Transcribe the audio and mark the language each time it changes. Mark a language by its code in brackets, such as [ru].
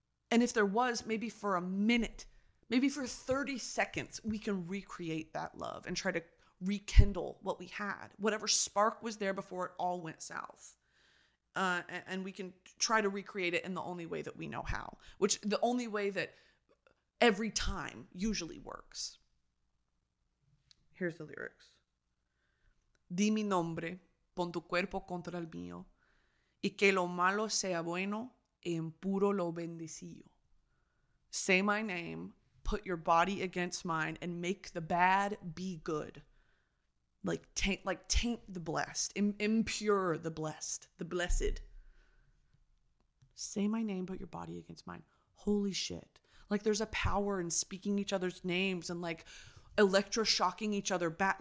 [en] And if there was, maybe for a minute, maybe for 30 seconds, we can recreate that love and try to rekindle what we had. Whatever spark was there before it all went south. And we can try to recreate it in the only way that we know how, which the only way that every time usually works. Here's the lyrics. [es] Di mi nombre, pon tu cuerpo contra el mío, y que lo malo sea bueno, e impuro lo bendecillo. [en] Say my name, put your body against mine, and make the bad be good. Like taint the blessed, impure the blessed, the blessed. Say my name, put your body against mine. Holy shit. Like, there's a power in speaking each other's names and, like, electroshocking each other back.